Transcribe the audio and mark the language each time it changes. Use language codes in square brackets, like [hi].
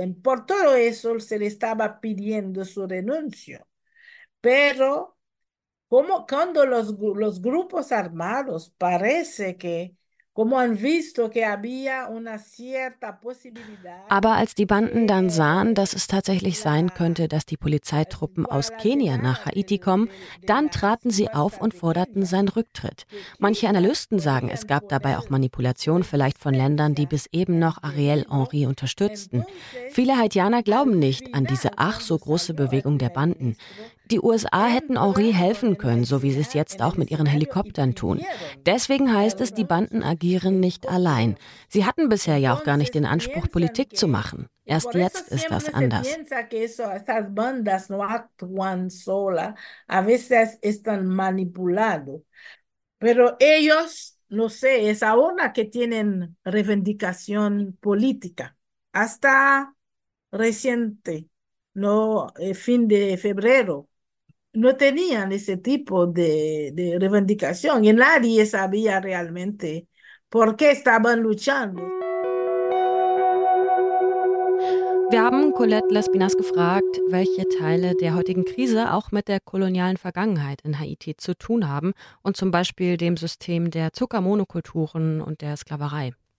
[es] En por todo eso se le estaba pidiendo su renuncio. Pero como cuando los grupos armados parece que [de] Aber als die Banden dann sahen, dass es tatsächlich sein könnte, dass die Polizeitruppen aus Kenia nach Haiti kommen, dann traten sie auf und forderten seinen Rücktritt. Manche Analysten sagen, es gab dabei auch Manipulation vielleicht von Ländern, die bis eben noch Ariel Henry unterstützten. Viele Haitianer glauben nicht an diese ach so große Bewegung der Banden. Die USA hätten Henri helfen können, so wie sie es jetzt auch mit ihren Helikoptern tun. Deswegen heißt es, die Banden agieren nicht allein. Sie hatten bisher ja auch gar nicht den Anspruch, Politik zu machen. Erst jetzt ist das anders. [es] Pero ellos, no sé, es ahora que tienen reivindicación política. Hasta reciente, no, fin de febrero. No tenían ese tipo de reivindicación y nadie sabía realmente por qué estaban luchando. [de] Wir haben Colette Laspinas gefragt, welche Teile der heutigen Krise auch mit der kolonialen Vergangenheit in Haiti zu tun haben und zum Beispiel dem System der Zuckermonokulturen und der Sklaverei.